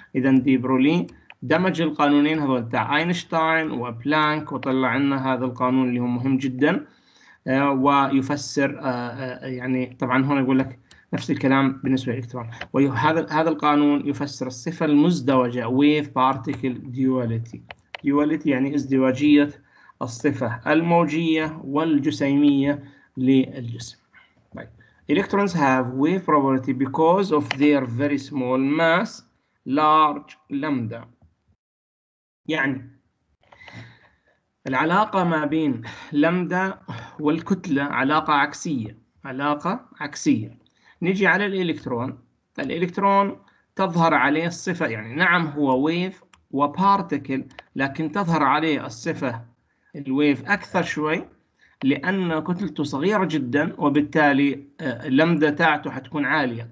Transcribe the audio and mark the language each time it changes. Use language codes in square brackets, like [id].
[ar] إذا دي برولي دمج القانونين هذول تاع أينشتاين وبلانك وطلع لنا هذا القانون اللي هو مهم جدا ويفسر، يعني طبعا هنا يقول لك نفس الكلام بالنسبة للإلكترون، وهذا القانون يفسر الصفة المزدوجة [en] wave particle duality. [ar] duality يعني ازدواجية الصفة الموجية والجسيمية للجسم. [en] Electrons have wave property because of their very small mass, large lambda. [ar] يعني العلاقة ما بين لامدا والكتلة علاقة عكسية، علاقة عكسية. نجي على الإلكترون، الإلكترون تظهر عليه الصفة، يعني نعم هو ويف وبارتكل، لكن تظهر عليه الصفة الويف أكثر شوي لأن كتلته صغيرة جدا، وبالتالي لامدا تاعته حتكون عالية.